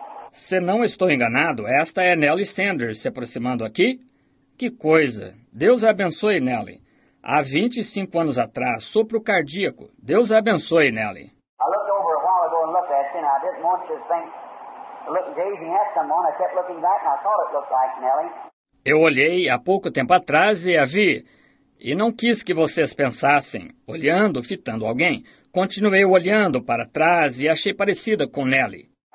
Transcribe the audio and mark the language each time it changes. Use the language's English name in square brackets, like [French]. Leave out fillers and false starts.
[Portuguese] Se não estou enganado, esta é Nellie Sanders se aproximando aqui. Que coisa! Deus a abençoe, Nellie. Há 25 anos atrás, sopro cardíaco. Deus a abençoe, Nellie. [English] I looked over a while ago and looked at you, and I didn't want you to think looking gazing at someone. I kept looking back and I thought it looked like Nellie. [Portuguese] Eu olhei há pouco tempo atrás e a vi. E não quis que vocês pensassem, olhando, fitando alguém. Continuei olhando para trás e achei parecida com Nellie.